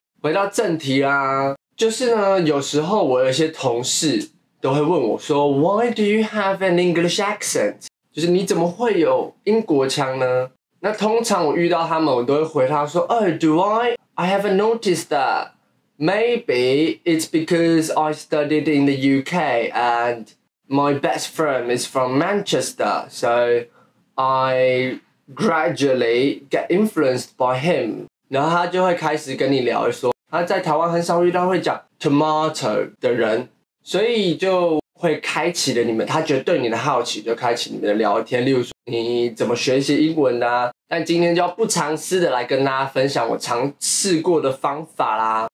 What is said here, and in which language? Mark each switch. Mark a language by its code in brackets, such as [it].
[zh] 回到正题啦，就是呢，有时候我有一些同事都会问我说 Why do you have an English accent? 就是你怎么会有英国腔呢？那通常我遇到他们，我都会回他说 Oh, do I haven't noticed that. [en] Maybe it's because I studied in the UK and my best friend is from Manchester. So I gradually get influenced by him. [zh] 然后他就会开始跟你聊说他在台湾很少遇到会讲 tomato 的人，所以就会开启了你们，他觉得对你的好奇，就开启你们的聊天。例如说你怎么学习英文啊？但今天就要不藏私的来跟大家分享我尝试过的方法啦。